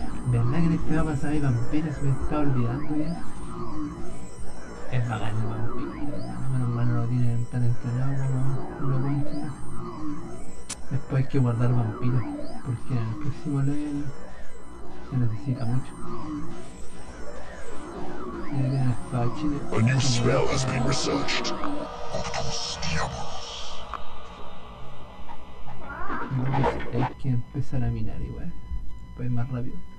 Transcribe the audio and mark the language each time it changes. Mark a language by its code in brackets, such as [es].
[es] ¿Verdad que en este mapa hay vampiros? Me estaba olvidando ya. Es bacán el vampiro, menos mal no lo tienen tan entrenado como lo pinchan. Después hay que guardar vampiros, porque en el próximo level se necesita mucho. Y ahí viene la espada chile. [en] A new spell has been researched. [es] Otros diablos. Entonces hay que empezar a minar igual, pues más rápido.